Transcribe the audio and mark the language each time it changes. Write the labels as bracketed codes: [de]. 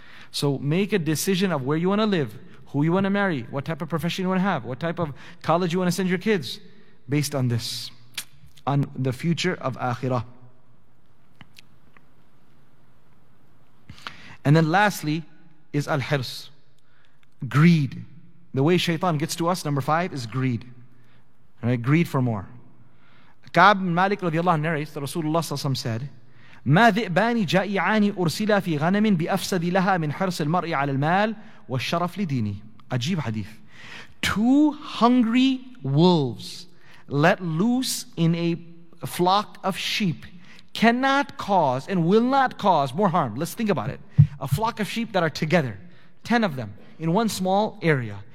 [en] So make a decision of where you want to live, who you want to marry, what type of profession you want to have, what type of college you want to send your kids, based on this, on the future of Akhirah. And then lastly is al-hirs, greed. The way shaitan gets to us, number 5, is greed. Right? Greed for more. Ka'b bin Malik radiallahu anhu narrates that Rasulullah sallallahu alayhi wa sallam said, [ar] مَا ذِئْبَانِ جَائِعَانِ أُرْسِلَ فِي غَنَمٍ بِأَفْسَدِ لَهَا مِنْ حِرْسِ الْمَرْءِ عَلَى الْمَالِ وَالشَّرَفْ لِدِينِ. [en] Ajeeb hadith. Two hungry wolves let loose in a flock of sheep cannot cause and will not cause more harm. Let's think about it. A flock of sheep that are together, 10 of them, in one small area.